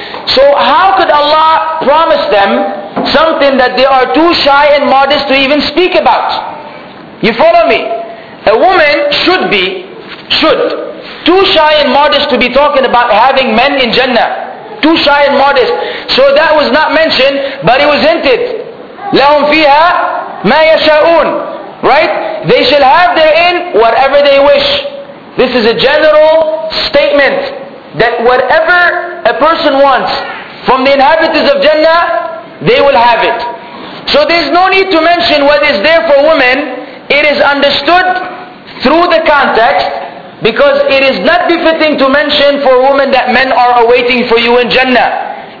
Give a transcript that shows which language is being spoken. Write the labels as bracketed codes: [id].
[en] So how could Allah promise them something that they are too shy and modest to even speak about? You follow me? A woman should be too shy and modest to be talking about having men in Jannah. Too shy and modest. So that was not mentioned, but it was hinted. [ar] لَهُمْ فِيهَا مَا يَشَاءُونَ [en] Right? They shall have therein whatever they wish. This is a general statement that whatever a person wants from the inhabitants of Jannah, they will have it. So there's no need to mention what is there for women. It is understood through the context because it is not befitting to mention for women that men are awaiting for you in Jannah.